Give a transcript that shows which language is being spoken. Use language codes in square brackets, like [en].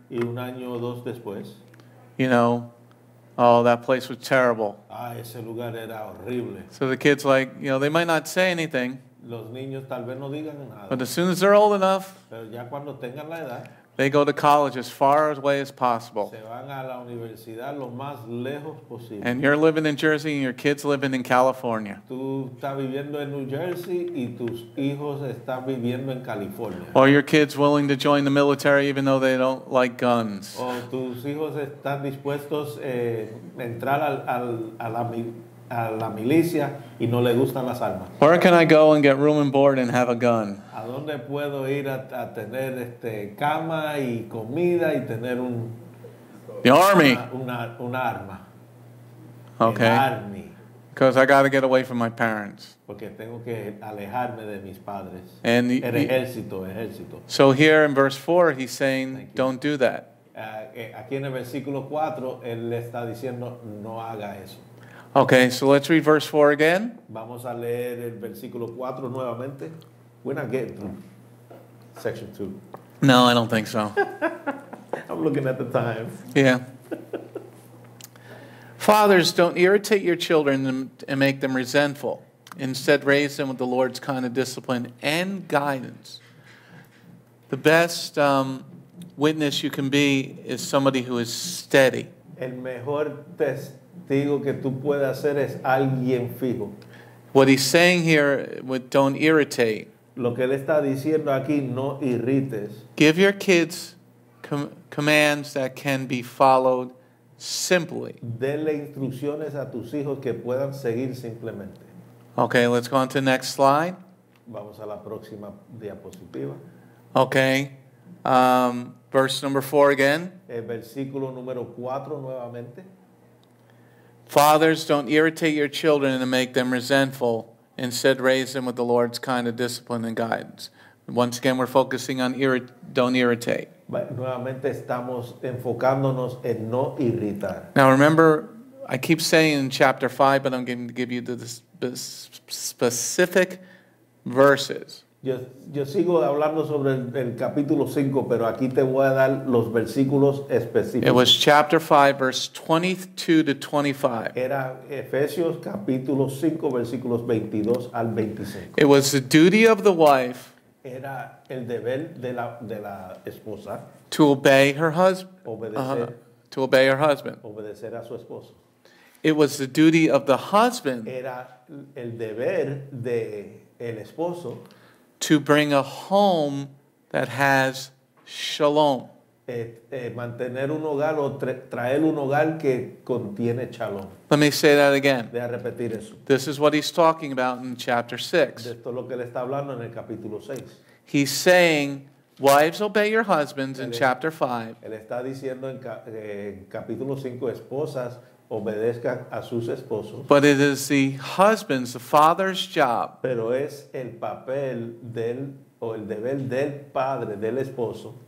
[es] y un año o dos después, [en] you know, oh, that place was terrible. [es] Ah, ese lugar era horrible. [en] So the kids, like, you know, they might not say anything. [es] Los niños tal vez no digan nada. [en] But as soon as they're old enough, [es] pero ya cuando tengan la edad, [en] They go to college as far away as possible. [es] Se van a la universidad lo más lejos posible. [en] And you're living in Jersey and your kids living in California. [es] Tú estás viviendo en New Jersey y tus hijos están viviendo en California. [en] Or your kids willing to join the military even though they don't like guns. [es] O tus hijos están dispuestos entrar a la milicia y no le gustan las armas. [en] Where can I go and get room and board and have a gun? [es] ¿A dónde puedo ir a tener cama y comida y tener un [en] the army? [es] Una arma. [en] Okay. [es] El army. [en] Because I got to get away from my parents. [es] Porque tengo que alejarme de mis padres. [en] And [es] el ejército, ejército. [en] So here in verse 4 he's saying don't do that. [es] Aquí en el versículo 4 él le está diciendo no haga eso. [en] Okay, so let's read verse 4 again. [es] Vamos a leer el versículo 4 nuevamente. [en] We're not getting through section 2. No, I don't think so. I'm looking at the time. Yeah. Fathers, don't irritate your children and make them resentful. Instead, raise them with the Lord's kind of discipline and guidance. The best witness you can be is somebody who is steady. [es] El mejor testigo que tú puedas hacer es alguien fijo. [en] What he's saying here with don't irritate. [es] Lo que él está diciendo aquí, no irrites. [en] Give your kids commands that can be followed simply. [es] Dele instrucciones a tus hijos que puedan seguir simplemente. [en] Okay, let's go on to the next slide. [es] Vamos a la próxima diapositiva. [en] Okay. Verse number 4 again. [es] El versículo número 4 nuevamente. [en] Fathers, don't irritate your children and make them resentful. Instead, raise them with the Lord's kind of discipline and guidance. Once again, we're focusing on don't irritate. [es] But nuevamente estamos enfocándonos en no irritar. [en] Now remember, I keep saying in chapter 5, but I'm going to give you the specific verses. [es] Yo sigo hablando sobre el capítulo 5, pero aquí te voy a dar los versículos específicos. [en] It was chapter 5, verse 22 to 25. [es] Era Efesios capítulo 5, versículos 22 al 25. [en] It was the duty of the wife. [es] Era el deber de la esposa. [en] To obey her husband. [es] Obedecer. Obedecer a su esposo. [en] It was the duty of the husband. [es] Era el deber de el esposo. [en] To bring a home that has shalom. [es] Mantener un hogar o traer un hogar que contiene shalom. [en] Let me say that again. [es] Voy a repetir eso. [en] This is what he's talking about in chapter 6. [es] De esto es lo que él está hablando en el capítulo 6. [en] He's saying, wives, obey your husbands in chapter 5. [es] Él está diciendo en capítulo 5, esposas, obedezcan a sus esposos. [en] But it is the husband's, the father's job. [es] Pero es el papel del o el deber del padre, del esposo.